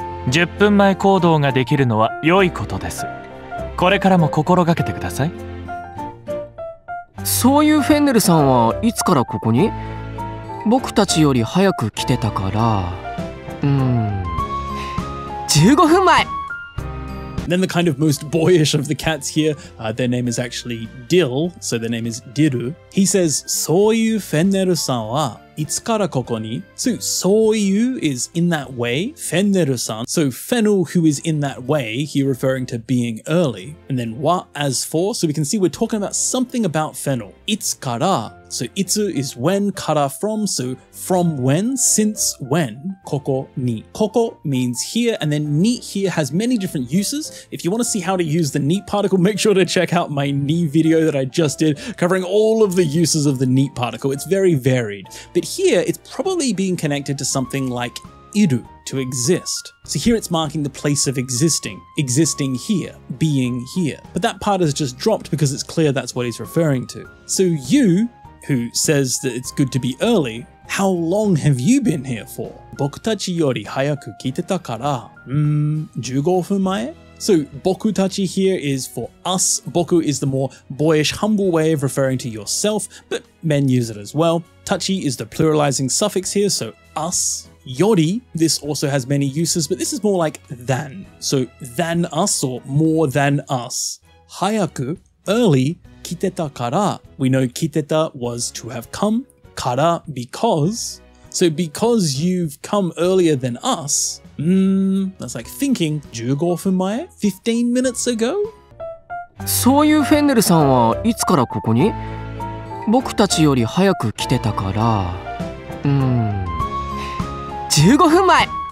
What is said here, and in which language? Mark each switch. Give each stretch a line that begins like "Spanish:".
Japanese: 10 分前行動ができるのは良いことです。これからも心がけてください。そういうフェンネルさんはいつからここに?僕たちより早く来てたから。 15分前!
English: Then the kind of most boyish of the cats here, their name is actually Dil, so their name is Diru. He says,
Japanese: Soyu Fenneru-san wa itsu kara koko ni?
English: So Soyu is in that way, Fenneru-san. So Fennel, who is in that way, he referring to being early. And then wa as for, so we can see we're talking about something about Fennel.
Japanese: Itsu kara.
English: So itsu is when, kara from, so from when, since when,
Japanese: koko ni.
English: Koko means here, and then ni here has many different uses. If you want to see how to use the ni particle, make sure to check out my ni video that I just did covering all of the uses of the ni particle. It's very varied. But here, it's probably being connected to something like iru, to exist. So here it's marking the place of existing, existing here, being here. But that part is just dropped because it's clear that's what he's referring to. So you, who says that it's good to be early, how long have you been here for?
Japanese: 僕たちより早く来てたから。 15分前?
English: So, 僕たち here is for us. 僕 is the more boyish, humble way of referring to yourself, but men use it as well. Tachi is the pluralizing suffix here, so us. Yori, this also has many uses, but this is more like than. So, than us or more than us. 早く, early,
Japanese: 来てたから.
English: We know 来てた was to have come. Kara, because. So because you've come earlier than us, that's like thinking,
Japanese: 15分前?
English: 15 minutes ago?
Japanese: そういうフェンネルさんはいつからここに?僕たちより早く来てたから… 15分前!